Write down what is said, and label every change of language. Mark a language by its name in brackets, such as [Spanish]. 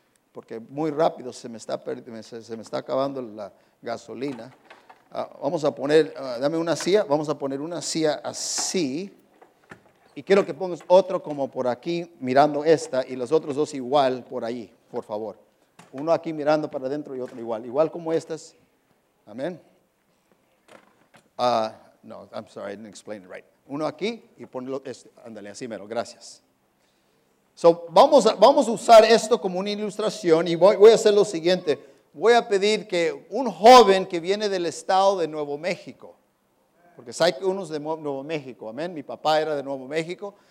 [Spanish] Porque muy rápido se me está acabando la gasolina. Dame una silla. Vamos a poner una silla así. Y quiero que pongas otro como por aquí mirando esta. Y los otros dos igual por ahí, por favor. Uno aquí mirando para adentro y otro igual. Igual como estas. [English] Amén. No, I'm sorry, I didn't explain it right. [Spanish] Uno aquí y ponlo, ándale, así mero, gracias. So, vamos a usar esto como una ilustración y voy a hacer lo siguiente. Voy a pedir que un joven que viene del estado de Nuevo México, porque hay unos de Nuevo México, amén, mi papá era de Nuevo México.